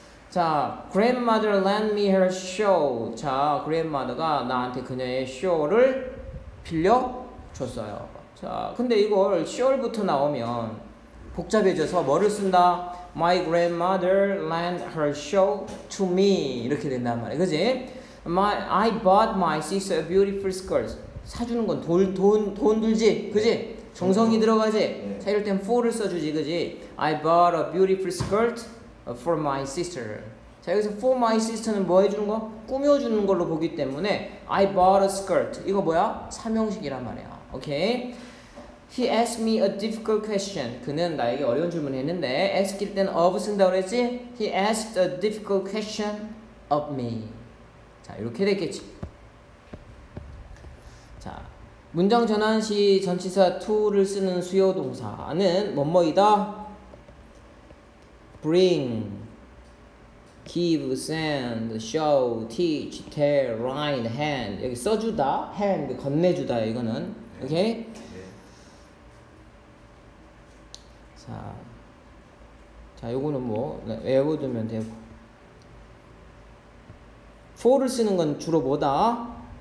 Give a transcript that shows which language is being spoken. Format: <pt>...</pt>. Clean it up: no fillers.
<en>자, grandmother lent me her show.</en> <ko>자, grandmother가 나한테 그녀의 show를 빌려줬어요. 자, 근데 이걸 show부터 나오면 복잡해져서 뭐를 쓴다?</ko> <en>My grandmother lent her show to me</en> <ko>이렇게 된단 말이야, 그지?</ko> <en>I bought my sister a beautiful skirt.</en> <ko>사주는 건 돈 들지, 그지? 정성이 들어가지. 자 이럴 땐 for를 써주지, 그지?</ko> <en>I bought a beautiful skirt for my sister.</en> <ko>자 여기서 for my sister는 뭐 해주는 거? 꾸며주는 걸로 보기 때문에</ko> <en>I bought a skirt.</en> <ko>이거 뭐야? 삼형식이란 말이야. 오케이.</ko> <en>He asked me a difficult question.</en> <ko>그는 나에게 어려운 질문을 했는데 ask일 땐 of 쓴다고 했지?</ko> <en>He asked a difficult question of me.</en> <ko>자, 이렇게 됐겠지. 자, 문장 전환 시 전치사 to를 쓰는 수요 동사는 뭐뭐이다?</ko> <en>bring, give, send, show, teach, tell, write, hand.</en> <ko>여기 써주다, hand, 건네주다 이거는. 오케이? 자, 요거는 뭐 외워두면 되고 for를 쓰는 건 주로 뭐다?</ko>